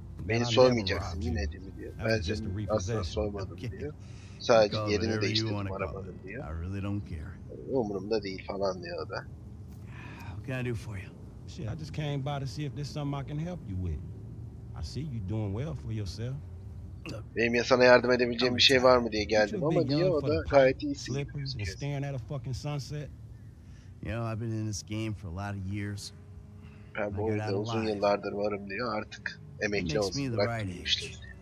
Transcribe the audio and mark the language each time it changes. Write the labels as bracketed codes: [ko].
[tr] Beni soymayacaksın yine değil mi diyor. Ben seni aslında soymadım diyor. Sadece yerini değiştirdim aramadım diyor. Umurumda değil falan diyor o da. [en] What can I do for you? Shit, I just came by to see if there's something I can help you with. I see you doing well for yourself. [tr] Benim ya sana yardım edebileceğim bir şey var mı diye geldim ama diyor o da gayet iyisin. [en] You know, I've been in this game for a lot of years. [tr] Ben bu oyunda uzun yıllardır varım diyor artık. Emekli olsun, bırakmamıştır.